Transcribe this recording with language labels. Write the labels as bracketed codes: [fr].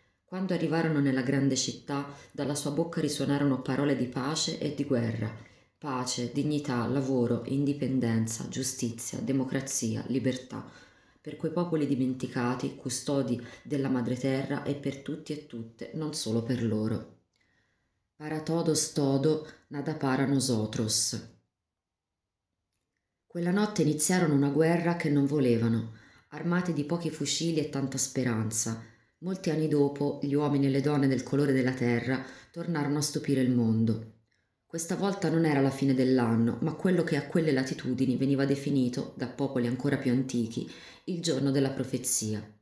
[it] Quando arrivarono nella grande città, dalla sua bocca risuonarono parole di pace e di guerra. Pace, dignità, lavoro, indipendenza, giustizia, democrazia, libertà. Per quei popoli dimenticati, custodi della madre terra e per tutti e tutte, non solo per loro. [es] Paratodos todo, nada para nosotros. [it] Quella notte iniziarono una guerra che non volevano, armate di pochi fucili e tanta speranza. Molti anni dopo, gli uomini e le donne del colore della terra tornarono a stupire il mondo. Questa volta non era la fine dell'anno, ma quello che a quelle latitudini veniva definito, da popoli ancora più antichi, il giorno della profezia.